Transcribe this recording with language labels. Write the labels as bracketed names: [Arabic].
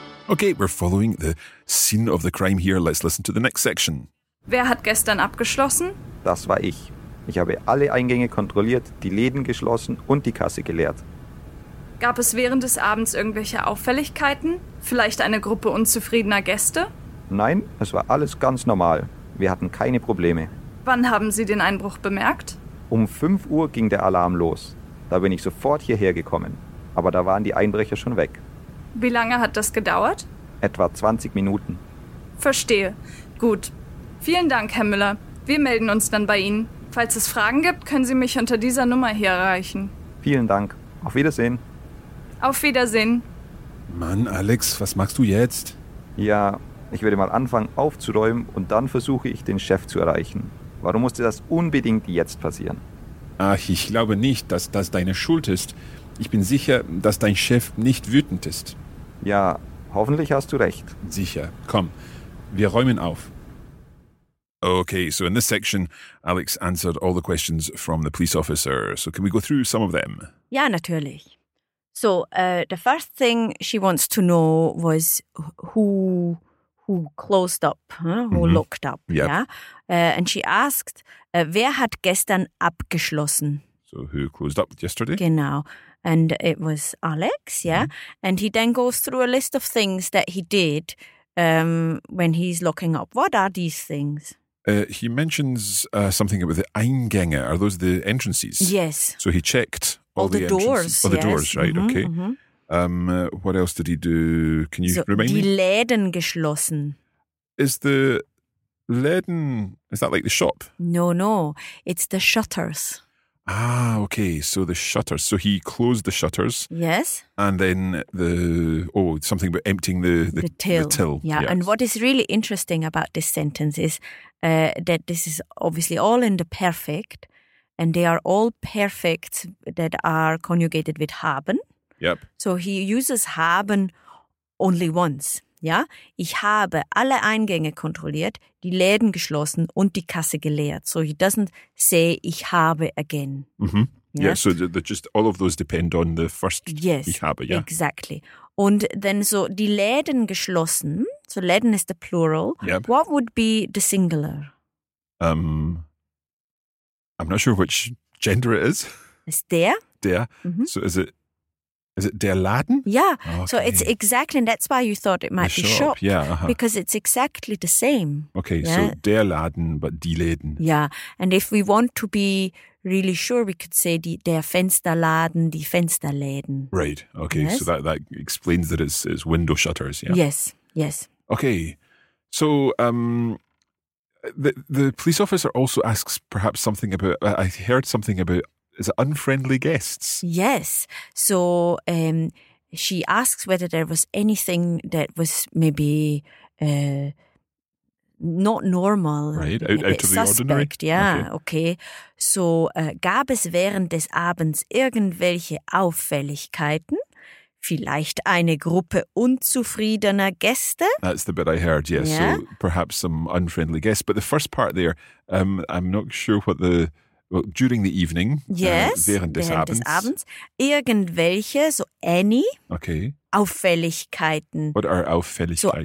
[English] Okay, we're following the scene of the crime here. Let's listen to the next section. [German] Wer hat gestern abgeschlossen? Das war ich. Ich habe alle Eingänge kontrolliert, die Läden geschlossen und die Kasse geleert. Gab es während des Abends irgendwelche Auffälligkeiten? Vielleicht eine Gruppe unzufriedener Gäste? Nein, es war alles ganz normal. Wir hatten keine Probleme. Wann haben Sie den Einbruch bemerkt? Um 5 Uhr ging der Alarm los. Da bin ich sofort hierher gekommen. Aber da waren die Einbrecher schon weg. Wie lange hat das gedauert? Etwa 20 Minuten. Verstehe. Gut. Vielen Dank, Herr Müller. Wir melden uns dann bei Ihnen. Falls es Fragen gibt, können Sie mich unter dieser Nummer hier erreichen. Vielen Dank. Auf Wiedersehen. Auf Wiedersehen. Mann, Alex, was machst du jetzt? Ja, ich werde mal anfangen aufzuräumen und dann versuche ich, den Chef zu erreichen. Warum musste das unbedingt jetzt passieren? Ach, ich glaube nicht, dass das deine Schuld ist. Ich bin sicher, dass dein Chef nicht wütend ist. Ja, hoffentlich hast du recht. Sicher. Komm, wir räumen auf. [English] Okay, so in this section, Alex answered all the questions from the police officer. So can we go through some of them? [German] Ja, natürlich. [English] So, the first thing she wants to know was who closed up, huh? Who locked up. Yep. Yeah. And she asked, [German] wer hat gestern abgeschlossen? [English] So who closed up yesterday? Genau. And it was Alex, yeah? Mm-hmm. And he then goes through a list of things that he did when he's locking up. What are these things? He mentions something about the Eingänge. Are those the entrances? Yes. So he checked all the doors. All the yes. doors, right, mm-hmm, okay. Mm-hmm. What else did he do? Can you remind [German] die [English] me? [German] Die Läden geschlossen. [English] Is the Läden, is that like the shop? No. It's the shutters. Ah, okay. So the shutters. So he closed the shutters. Yes. And then something about emptying the till. The till. Yeah. Yes. And what is really interesting about this sentence is that this is obviously all in the perfect, and they are all perfects that are conjugated with haben. Yep. So he uses haben only once. Yeah. [German] Ich habe alle Eingänge kontrolliert, die Läden geschlossen und die Kasse geleert. [English] So he doesn't say [German] ich habe [English] again. Mm-hmm. Yeah. So they're just all of those depend on the first yes, [German] ich habe. Yeah. [English] Exactly. And then so [German] die Läden geschlossen. [English] So Läden is the plural. Yep. What would be the singular? I'm not sure which gender it is. It's der. Der. Mm-hmm. So is it? Is it [German] der Laden? [English] Yeah. Okay. So it's exactly, and that's why you thought it might the be shop. Yeah. Uh-huh. Because it's exactly the same. Okay, yeah? [German] So der Laden, but die Läden. [English] Yeah. And if we want to be really sure, we could say [German] der Fensterladen, die Fensterläden. [English] Right. Okay. Yes? So that explains that it's window shutters. Yeah. Yes. Yes. Okay. So the police officer also asks perhaps something about, I heard something about, is it unfriendly guests? Yes. So she asks whether there was anything that was maybe not normal. Right, out of suspect. The ordinary. Yeah, okay. [German] So gab es während des Abends irgendwelche Auffälligkeiten? Vielleicht eine Gruppe unzufriedener Gäste? [English] That's the bit I heard, yes. Yeah. So perhaps some unfriendly guests. But the first part there, I'm not sure what the... Well, during the evening, [German] während des Abends, irgendwelche, so any, [English] okay. [German] Auffälligkeiten. [English] What are Auffälligkeiten?